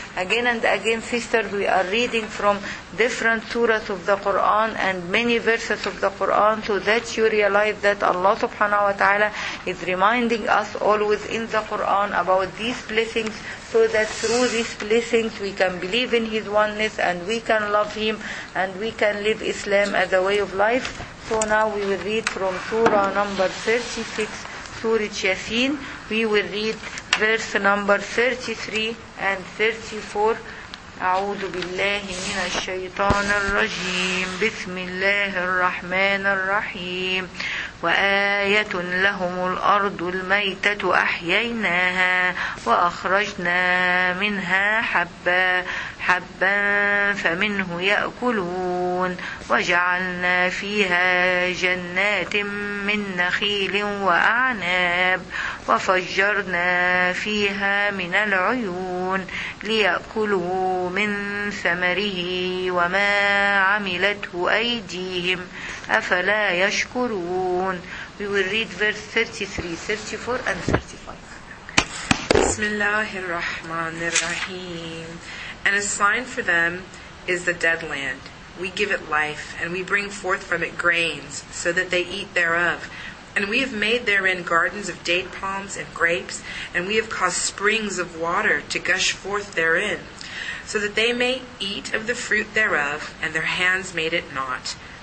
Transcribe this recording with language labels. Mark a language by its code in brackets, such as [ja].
[en] Again and again, sisters, we are reading from different surahs of the Quran and many verses of the Quran, so that you realize that Allah subhanahu wa ta'ala is reminding us always in the Quran about these blessings, so that through these blessings we can believe in His oneness and we can love Him and we can live Islam as a way of life. So now we will read from Surah number 36, Surah Yasin. We will read verse number 33 and 34. [ar] أعوذ بالله من الشيطان الرجيم بسم الله الرحمن الرحيم وآية لهم الأرض الميتة أحييناها وأخرجنا منها حبا حبا فمنه يأكلون وجعلنا فيها جنات من نخيل وأعناب وفجرنا فيها من العيون ليأكلوا من ثمره وما عملته أيديهم أفلا يشكرون. [en] We will read verse 33, 34 and 35. [ar] بسم الله الرحمن الرحيم. [en] And a sign for them is the dead land, We give it life, and we bring forth from it grains, so that they eat thereof. And we have made therein gardens of date palms and grapes, and we have caused springs of water to gush forth therein, so that they may eat of the fruit thereof, and their hands made it not.